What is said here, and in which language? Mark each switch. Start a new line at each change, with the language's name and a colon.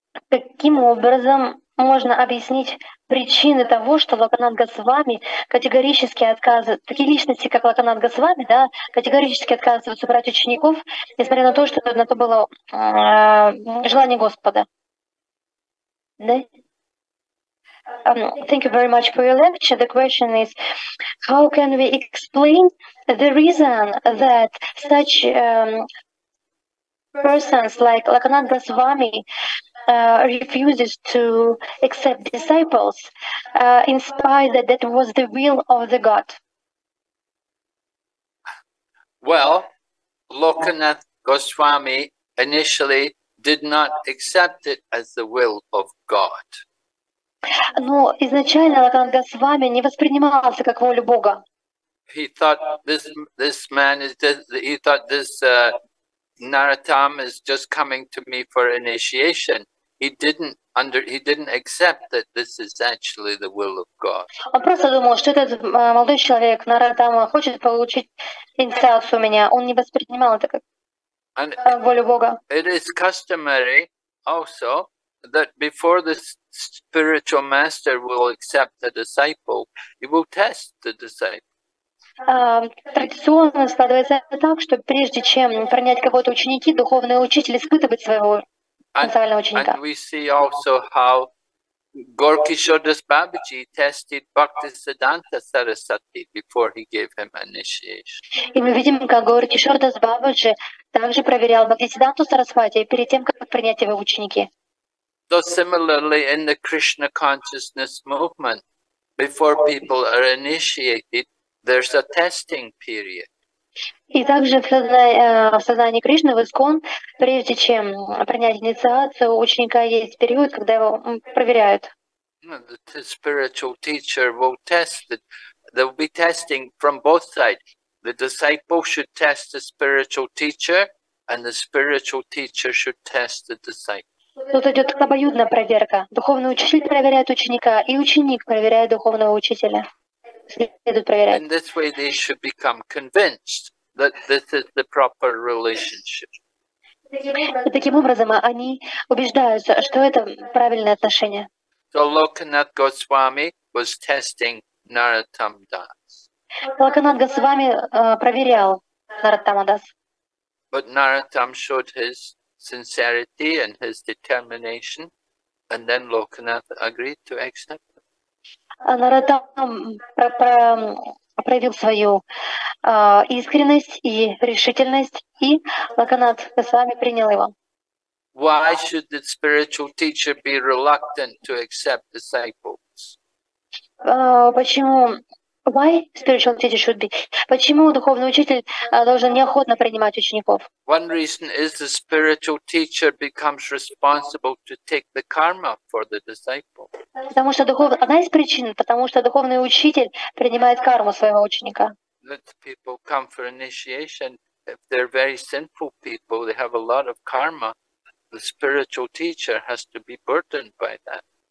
Russian: Каким образом можно объяснить причины того, что Локанат Госвами категорически отказывает, такие личности, как Локанат Госвами, да, категорически отказываются брать учеников, несмотря на то, что на то было желание Господа? Да?
English: Thank you very much for your lecture. The question is, how can we explain the reason that such persons like Lakanath Goswami refuses to accept disciples in spite that that was the will of the God? Well, Lakanath Goswami initially did not accept it as the will of God.
Russian: Но изначально Локанат Госвами не воспринимался как волю Бога.
English: He thought this man is just, he thought this Наратам is just coming to me for initiation. He didn't accept that this is actually the will of God.
Russian: Он просто думал, что этот молодой человек Наратама хочет получить инициацию у меня. Он не воспринимал это как волю Бога.
English: It is customary also that before the spiritual master will accept the disciple, he will test the disciple.
Russian: Традиционно складывается так, что прежде чем принять кого-то ученики, духовный учитель испытывает своего потенциального ученика.
English: And we see also how Gaurakishordas Babaji tested Bhaktisiddhanta Sarasvati before he gave him initiation.
Russian: И мы видим, как Gaurakishordas Babaji также проверял Бхактисиддханту Сарасвати перед тем, как принять его ученики.
English: So similarly, in the Krishna consciousness movement, before people are initiated, there's a testing period.
Russian: И также в сознании Кришны, в ИСККОН, прежде чем принять инициацию, у ученика есть период, когда его проверяют.
English: The spiritual teacher will test it. There will be testing from both sides. The disciple should test the spiritual teacher, and the spiritual teacher should test the disciple.
Russian: Тут идет обоюдная проверка. Духовный учитель проверяет ученика, и ученик проверяет духовного учителя. Следует проверять.
English: In this way they should become convinced that this is the proper relationship.
Russian: И таким образом они убеждаются, что это правильное отношение.
English: So Lokanath Goswami was testing Narottam Das.
Russian: Lokanath Goswami проверял Narottama Das.
English: But Narottam showed his sincerity and his determination, and then Lokanath agreed to accept.
Russian: Narottam проявил свою искренность и решительность, и Lokanath Goswami принял его.
English: Why should the spiritual teacher be reluctant to accept disciples?
Russian: Почему?
English: Why spiritual teacher should be?
Russian: Почему духовный учитель должен неохотно принимать учеников?
English: One reason is the spiritual teacher becomes responsible to take the karma for the disciple.
Russian: Потому что одна из причин, потому что духовный учитель принимает карму своего ученика.
English: Let people come for initiation. If they're very sinful people, they have a lot of karma. The spiritual teacher has to be burdened by that.